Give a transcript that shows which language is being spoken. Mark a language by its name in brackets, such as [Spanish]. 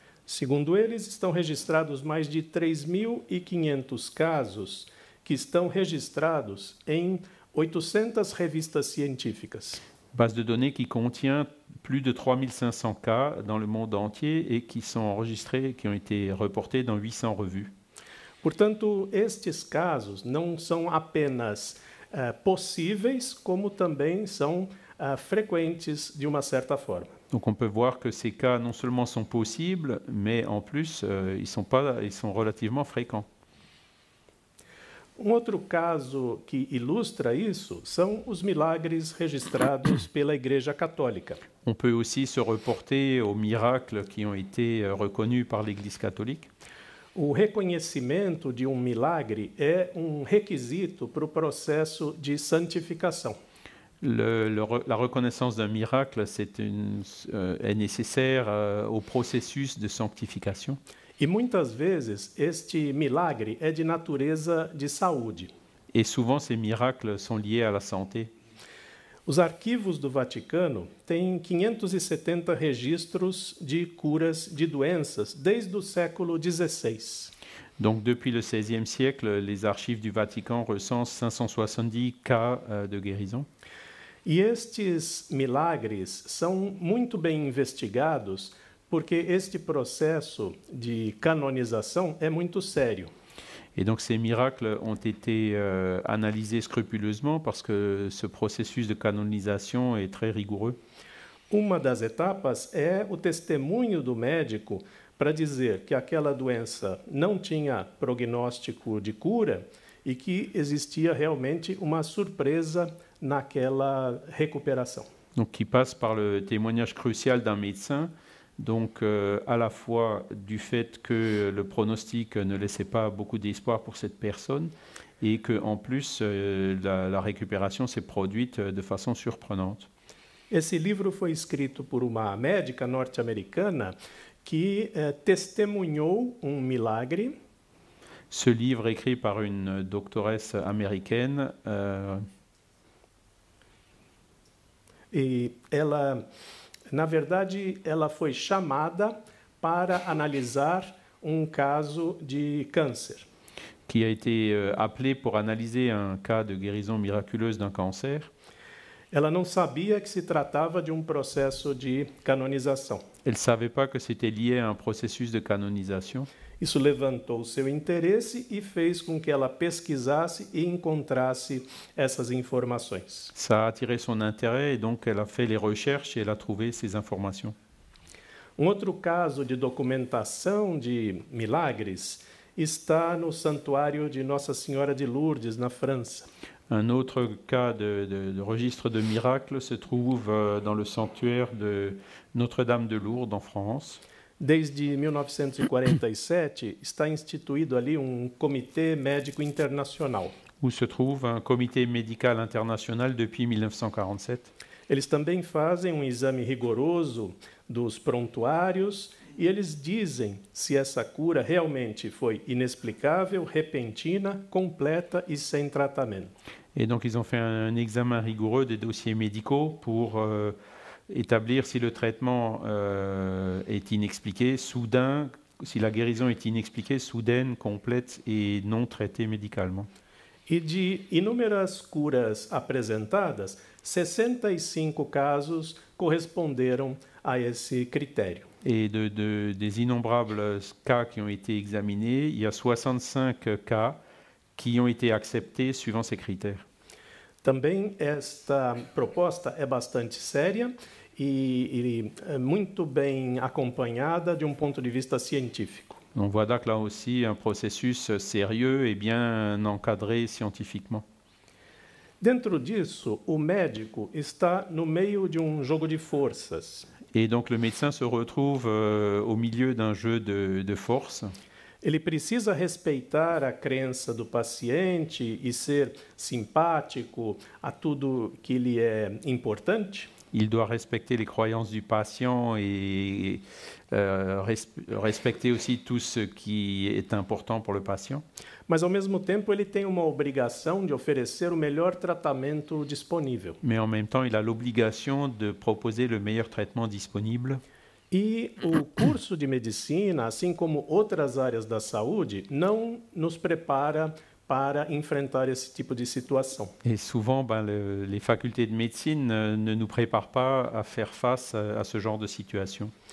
[Portuguese] Segundo eles, estão registrados mais de 3.500 casos que estão registrados em 800 revistas científicas. [French] Base de données qui contient plus de 3500 cas dans le monde entier et qui sont enregistrés, qui ont été reportés dans 800 revues. [Portuguese] Portanto, estes casos não são apenas possíveis, como também são frequentes de uma certa forma. [French] Donc on peut voir que ces cas non seulement sont possibles, mais en plus ils sont relativement fréquents. [Portuguese] Um outro caso que ilustra isso são os milagres registrados pela Igreja Católica. [French] On peut aussi se reporter aux miracles qui ont été reconnus par l'Église catholique. [Portuguese] O reconhecimento de um milagre é um requisito para o processo de santificação. [French] La reconnaissance d'un miracle est nécessaire au processus de sanctification. [Portuguese] E muitas vezes este milagre é de natureza de saúde. [French] Et souvent ces miracles sont liés à la santé. [Portuguese] Os arquivos do Vaticano têm 570 registros de curas de doenças desde o século XVI. [French] Donc depuis le XVIe siècle, les archives du Vatican recensent 570 cas de guérison. [Portuguese] E estes milagres são muito bem investigados. Porque este processo de canonização é muito sério. [French] E donc ces miracles ont été analysés scrupuleusement parce que ce processus de canonisation est très rigoureux. [Portuguese] Uma das etapas é o testemunho do médico para dizer que aquela doença não tinha prognóstico de cura e que existia realmente uma surpresa naquela recuperação. [French] Donc qui passe par le témoignage crucial d'un médecin. Donc, à la fois du fait que le pronostic ne laissait pas beaucoup d'espoir pour cette personne et qu'en plus, la récupération s'est produite de façon surprenante. [Portuguese] Esse livro foi escrito por uma médica norte-americana que testemunhou um milagre. [French] Ce livre écrit par une doctoresse américaine. [Portuguese] E ela... Na verdade, ela foi chamada para analisar um caso de câncer. [French] Que a été appelée pour analyser un cas de guérison miraculeuse d'un cancer. [Portuguese] Ela não sabia que se tratava de um processo de canonização. [French] Elle savait pas que c'était lié à un processus de canonisation. [Portuguese] Isso levantou seu interesse e fez com que ela pesquisasse e encontrasse essas informações. [French] Ça a attiré son intérêt et donc elle a fait les recherches et elle a trouvé ces informations. [Portuguese] Um outro caso de documentação de milagres está no santuário de Nossa Senhora de Lourdes, na França. [French] Un autre cas de registre de miracles se trouve dans le sanctuaire de Notre-Dame de Lourdes, en France. [Portuguese] Desde 1947, está instituído ali um comitê médico internacional. [French] Où se trouve un comité médical international depuis 1947? [Portuguese] Eles também fazem um exame rigoroso dos prontuários e eles dizem se essa cura realmente foi inexplicável, repentina, completa e sem tratamento. [French] Et donc, ils ont fait un examen rigoureux des dossiers médicaux pour établir si le traitement est inexpliqué, soudain, si la guérison est inexpliquée, soudaine, complète et non traitée médicalement. [Portuguese] E de inúmeras curas apresentadas, 65 casos corresponderam a esse critério. [French] Et des innombrables cas qui ont été examinés, il y a 65 cas qui ont été acceptés suivant ces critères. [Portuguese] Também esta proposta é bastante séria e muito bem acompanhada de um ponto de vista científico. [French] On voit donc là aussi un processus sérieux et bien encadré scientifiquement. [Portuguese] Dentro disso, o médico está no meio de um jogo de forças. [French] Et donc le médecin se retrouve au milieu d'un jeu de force. [Portuguese] Ele precisa respeitar a crença do paciente e ser simpático a tudo que lhe é importante. [French] Il doit respecter les croyances du patient et respecter aussi tout ce qui est important pour le patient. [Portuguese] Mas, ao mesmo tempo, ele tem uma obrigação de oferecer o melhor tratamento disponível. [French] Mais en même temps, il a l'obligation de proposer le meilleur traitement disponible. [Portuguese] E o curso de medicina, assim como outras áreas da saúde, não nos prepara para enfrentar esse tipo de situação. [French] Et souvent, les facultés de médecine ne nous préparent pas à faire face à ce genre de situation.